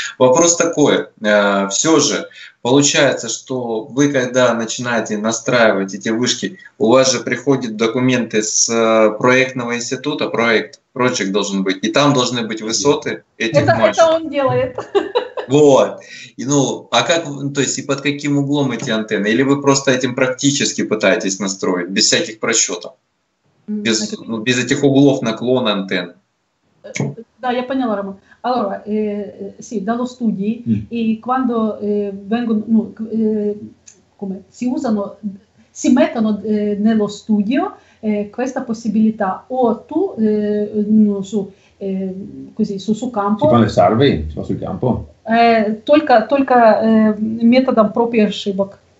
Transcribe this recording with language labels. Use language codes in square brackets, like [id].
[ru] Вопрос такой, все же, получается, что вы когда начинаете настраивать эти вышки, у вас же приходят документы с проектного института, проект, прочек должен быть, и там должны быть высоты этих мачек. Это он делает. Вот. И, ну, а как, то есть, и под каким углом эти антенны? Или вы просто этим практически пытаетесь настроить, без всяких просчетов? Без, ну, без этих углов наклона антенн? Да, я поняла, Роман. [it] Allora, sì, dallo studio, e quando vengono, no, come, si usano, si mettono nello studio questa possibilità, o tu, no, su, così, su, su campo. Si fanno le survey, si fa sul campo. [ru] Только методом проб и ошибок.